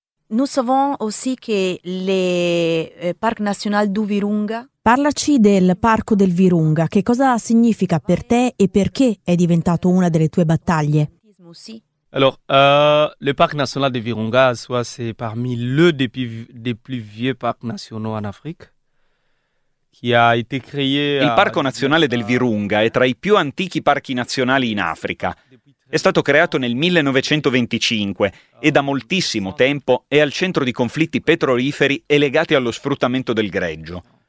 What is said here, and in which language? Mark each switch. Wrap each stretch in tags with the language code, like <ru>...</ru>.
<fr>Nous savons aussi que le Parc National du Virunga.</fr> <it>Parlaci del Parco del Virunga. Che cosa significa per te e perché è diventato una delle tue battaglie?</it> <fr>Alors, le Parc National du Virunga, soit c'est parmi le des plus vieux parcs nationaux en Afrique.</fr> <it>Il Parco Nazionale del Virunga è tra i più antichi parchi nazionali in Africa. È stato creato nel 1925 e da moltissimo tempo è al centro di conflitti petroliferi e legati allo sfruttamento del greggio.</it>